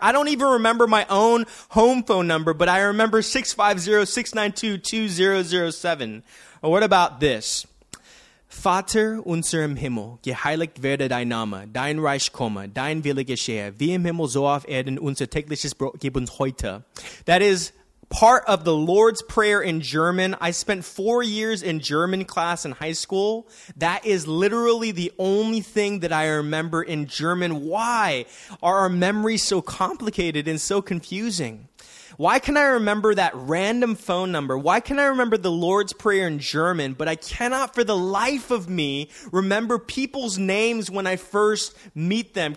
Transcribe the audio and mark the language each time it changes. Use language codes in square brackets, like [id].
[en] I don't even remember my own home phone number, but I remember 650-692-2007. Or what about this? [de] Vater unser im Himmel, geheiligt werde dein Name, dein Reich komme, dein Wille geschehe, wie im Himmel so auf Erden unser tägliches Brot gib uns heute. [en] That is part of the Lord's Prayer in German. I spent 4 years in German class in high school. That is literally the only thing that I remember in German. Why are our memories so complicated and so confusing? Why can I remember that random phone number? Why can I remember the Lord's Prayer in German, but I cannot for the life of me remember people's names when I first meet them?